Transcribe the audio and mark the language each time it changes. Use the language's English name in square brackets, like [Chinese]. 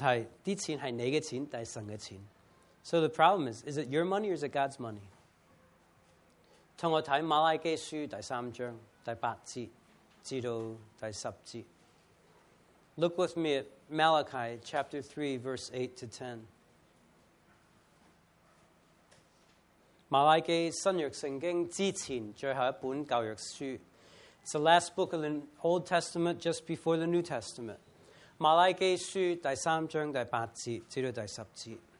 [Chinese] 他接著又說,我們不是一些儲水缸的,是自己在儲糧,我們是一個水管要分享出去。所以問題,這錢是你的錢,還是神的錢? [English] So the problem is it your money or is it God's money? [Chinese] 跟我看馬拉基書第3章,第8節,至到第10節. [English] Look with me at Malachi chapter 3, verse 8 to 10. [Chinese] 馬拉基新約聖經之前最後一本舊約書. [English] It's the last book of the Old Testament, just before the New Testament. [Chinese] 馬拉基書第3章,第8節,至到第10節.